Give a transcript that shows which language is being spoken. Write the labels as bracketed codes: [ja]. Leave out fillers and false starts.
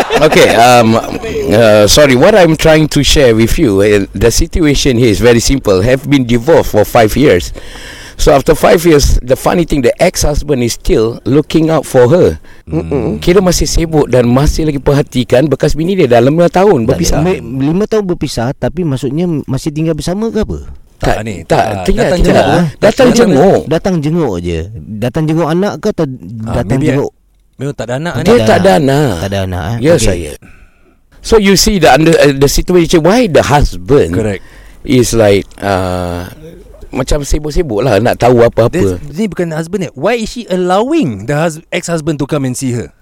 [en] Okay, sorry, what I'm trying to share with you, the situation here is very simple. Have been divorced for 5 years. So after 5 years, the funny thing, the ex-husband is still looking out for her. [ms] Kira masih sibuk dan masih lagi perhatikan bekas bini dia dalam 5 tahun berpisah. 5 tahun berpisah, tapi maksudnya masih tinggal bersama ke apa? Datang jenguk anak ke atau datang jenguk? Memang tak ada anak. Dia tak ada anak. Eh? Ya, okay. Saya. [en] So you see the the situation, why the husband correct is like [ms] macam sibuk-sibuk lah nak tahu apa-apa. Ini bukan husband. [en] Why is she allowing the ex-husband to come and see her?